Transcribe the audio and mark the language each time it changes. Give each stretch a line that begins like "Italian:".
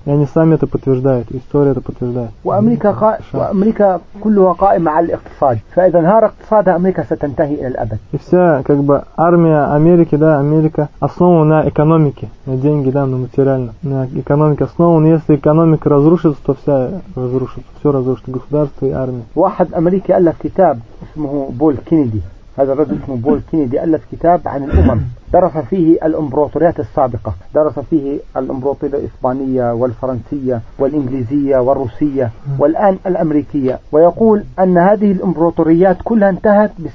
Russian: И они сами это подтверждают, история это подтверждает.
Arabic: Америка كلها قائمه على الاقتصاد. فاذا انهار اقتصادها امريكا ستنتهي الى الابد.
Russian: И вся как бы армия Америки, да, Америка основана на экономике, на деньги, да, на материальном. На экономике основана. Если экономика разрушится, то вся разрушится. Все разрушится, государство и армия.
Arabic: واحد امريكي الف كتاب اسمه بول كينيدي. هذا الرجل اسمه بول كينيدي ألف كتاب عن الأمم درس فيه الإمبراطوريات السابقة درس فيه الإمبراطورية الإسبانية والفرنسية والإنجليزية والروسية والآن الأمريكية ويقول أن هذه الإمبراطوريات كلها انتهت